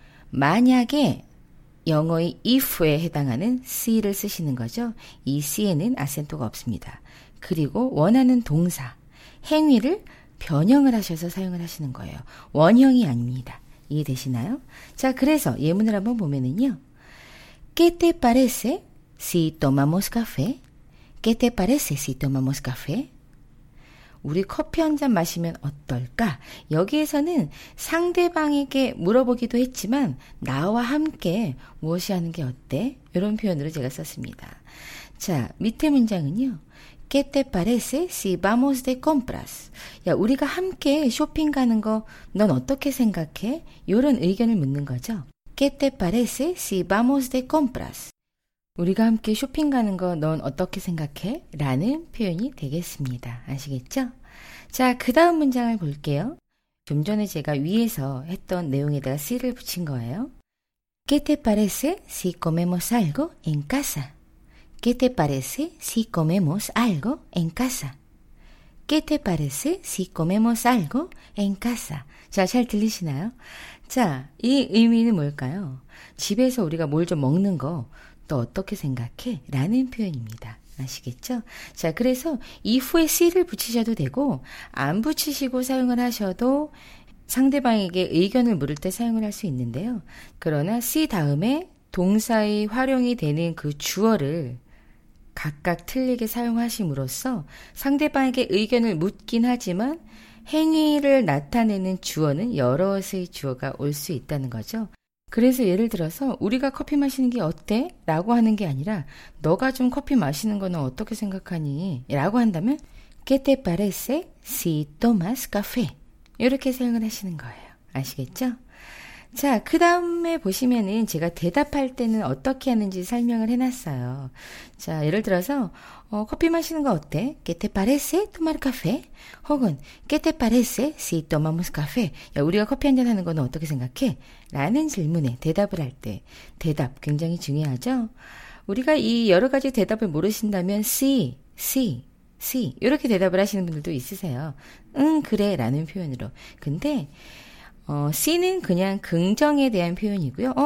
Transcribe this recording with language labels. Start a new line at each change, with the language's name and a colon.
Korean: 만약에 영어의 if에 해당하는 si를 쓰시는 거죠. 이 si에는 accent가 없습니다. 그리고 원하는 동사, 행위를 변형을 하셔서 사용을 하시는 거예요. 원형이 아닙니다. 이해되시나요? 자, 그래서 예문을 한번 보면은요.
Spanish: ¿Qué te parece si tomamos café? ¿Qué te parece si tomamos café?
Korean: 우리 커피 한 잔 마시면 어떨까? 여기에서는 상대방에게 물어보기도 했지만 나와 함께 무엇이 하는 게 어때? 이런 표현으로 제가 썼습니다. 자, 밑에 문장은요.
Spanish: ¿Qué te parece si vamos de compras?
Korean: 야, 우리가 함께 쇼핑 가는 거 넌 어떻게 생각해? 이런 의견을 묻는 거죠.
Spanish: ¿Qué te parece si vamos de compras?
Korean: 우리가 함께 쇼핑 가는 거 넌 어떻게 생각해? 라는 표현이 되겠습니다. 아시겠죠? 자, 그 다음 문장을 볼게요. 좀 전에 제가 위에서 했던 내용에다가 C를 붙인 거예요.
Spanish: ¿Qué te parece si comemos algo en casa? ¿Qué te parece si comemos algo en casa? ¿Qué te parece si comemos algo en casa?
Korean: 자, 잘 들리시나요? 자, 이 의미는 뭘까요? 집에서 우리가 뭘 좀 먹는 거 또 어떻게 생각해? 라는 표현입니다. 아시겠죠? 자, 그래서 if에 si를 붙이셔도 되고 안 붙이시고 사용을 하셔도 상대방에게 의견을 물을 때 사용을 할 수 있는데요. 그러나 si 다음에 동사의 활용이 되는 그 주어를 각각 틀리게 사용하심으로써 상대방에게 의견을 묻긴 하지만 행위를 나타내는 주어는 여럿의 주어가 올 수 있다는 거죠. 그래서 예를 들어서 우리가 커피 마시는 게 어때? 라고 하는 게 아니라 너가 좀 커피 마시는 거는 어떻게 생각하니? 라고 한다면
Spanish: ¿Qué te parece si tomas café?
Korean: 이렇게 사용을 하시는 거예요. 아시겠죠? 자, 그 다음에 보시면은 제가 대답할 때는 어떻게 하는지 설명을 해놨어요. 자, 예를 들어서 커피 마시는 거 어때?
Spanish: ¿Qué te parece tomar café? 혹은 ¿Qué te parece si tomamos café?
Korean: 야, 우리가 커피 한잔 하는 거는 어떻게 생각해? 라는 질문에 대답을 할 때 대답 굉장히 중요하죠? 우리가 이 여러 가지 대답을 모르신다면 see 이렇게 대답을 하시는 분들도 있으세요. 응, 그래 라는 표현으로. 근데 see는 그냥 긍정에 대한 표현이고요.